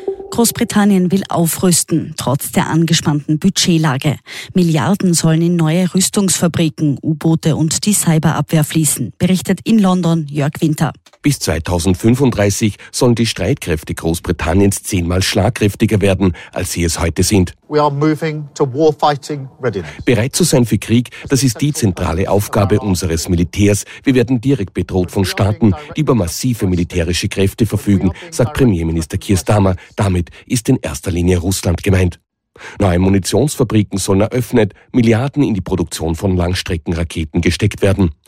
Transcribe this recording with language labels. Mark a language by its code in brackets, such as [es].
[de] Großbritannien will aufrüsten, trotz der angespannten Budgetlage. Milliarden sollen in neue Rüstungsfabriken, U-Boote und die Cyberabwehr fließen, berichtet in London Jörg Winter. Bis 2035 sollen die Streitkräfte Großbritanniens 10-mal schlagkräftiger werden, als sie es heute sind. [en] We are moving to war-fighting readiness. [de] Bereit zu sein für Krieg, das ist die zentrale Aufgabe unseres Militärs. Wir werden direkt bedroht von Staaten, die über massive militärische Kräfte verfügen, sagt Premierminister Keir Starmer. Damit ist in erster Linie Russland gemeint. Neue Munitionsfabriken sollen eröffnet, Milliarden in die Produktion von Langstreckenraketen gesteckt werden.